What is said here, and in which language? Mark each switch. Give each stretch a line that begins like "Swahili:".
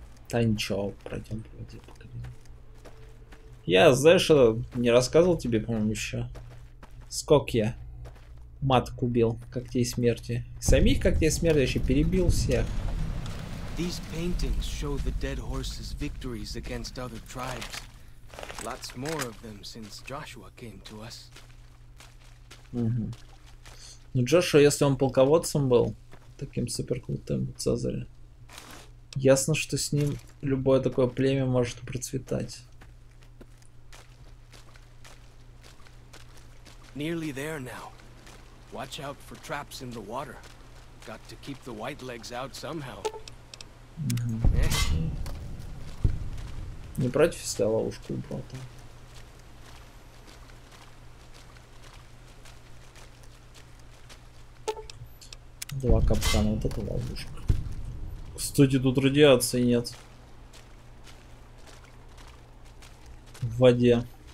Russian: Да ничего, пройдем по воде. Я, знаешь, не рассказывал тебе, по-моему, еще. Скок я матку убил когтей смерти. Самих когтей смерти еще перебил всех.
English: These paintings show the dead horse's victories against other tribes. Lots more of them since Joshua came to us. Угу.
Russian: Ну, Джошуа, если он полководцем был, таким супер крутым Цезарем, ясно, что с ним любое такое племя может процветать.
English: Nearly there now. Watch out for traps in the water. Got to keep the white legs out somehow.
Russian: Не против, если я ловушку убрал там. Два капкана, вот это ловушка. Кстати, тут радиации нет. В воде.